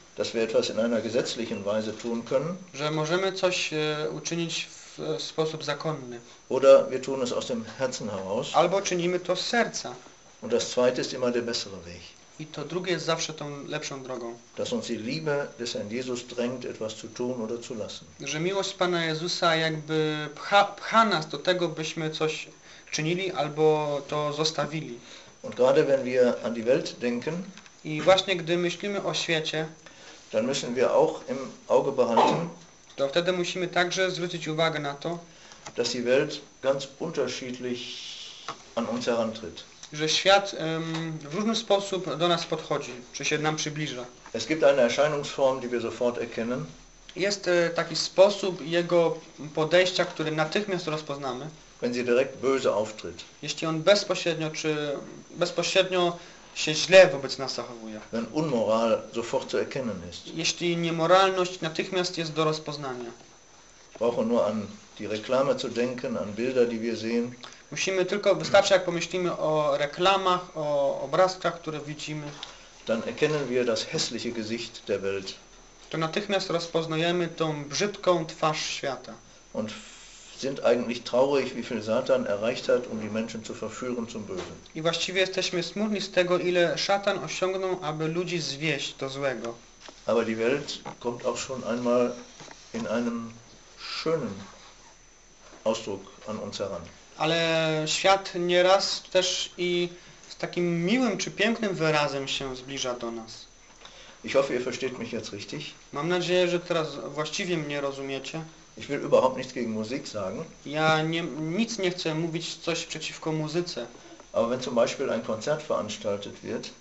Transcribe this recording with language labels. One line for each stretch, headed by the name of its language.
German: dass wir etwas in einer gesetzlichen Weise tun können,
Polish: że możemy coś uczynić w sposób zakonny.
German: Oder wir tun es aus dem Herzen heraus.
Polish: Albo czynimy to z serca.
German: Und das zweite ist immer der bessere Weg.
Polish: I to drugie jest zawsze tą lepszą drogą.
German: Dass uns die Liebe des Herrn Jesus drängt, etwas zu tun oder zu lassen.
Polish: Że miłość Pana Jezusa jakby pcha nas do tego, byśmy coś czynili albo to zostawili.
German: Und gerade wenn wir an die Welt denken,
Polish: i właśnie gdy myślimy o świecie,
German: dann müssen wir auch im Auge behalten,
Polish: to wtedy musimy także zwrócić uwagę na to,
German: dass die Welt ganz unterschiedlich an uns herantritt.
Polish: Że świat w różny sposób do nas podchodzi, czy się nam przybliża.
German: Es gibt eine Erscheinungsform, die wir sofort erkennen.
Polish: jest taki sposób jego podejścia, który natychmiast rozpoznamy.
German: Wenn sie direkt böse auftritt.
Polish: Jeśli on bezpośrednio czy bezpośrednio się źle wobec nas zachowuje.
German: Wenn unmoral sofort zu erkennen ist.
Polish: Jeśli niemoralność natychmiast jest do rozpoznania.
German: Brauchen nur an die Reklame zu denken, an Bilder, die wir sehen.
Polish: Musimy tylko, wystarczy jak pomyślimy o reklamach, o obrazkach, które widzimy.
German: Dann erkennen wir das hässliche Gesicht der Welt.
Polish: To natychmiast rozpoznajemy tą brzydką twarz świata.
German: Und sind eigentlich traurig, wie viel Satan erreicht hat, um die Menschen zu verführen zum Bösen.
Polish: I właściwie jesteśmy smutni z tego, ile szatan osiągnął, aby ludzi zwieść do złego.
German: Aber die Welt kommt auch schon einmal in einem schönen Ausdruck an uns heran.
Polish: Ale świat nieraz też i z takim miłym czy pięknym wyrazem się zbliża do nas.
German: Ich hoffe, ihr versteht mich jetzt richtig.
Polish: Mam nadzieję, że teraz właściwie mnie rozumiecie.
German: Ich will überhaupt nichts gegen Musik sagen.
Polish: Ja nie, nic nie chcę mówić coś przeciwko muzyce.
German: Aber wenn zum Beispiel ein Konzert veranstaltet wird,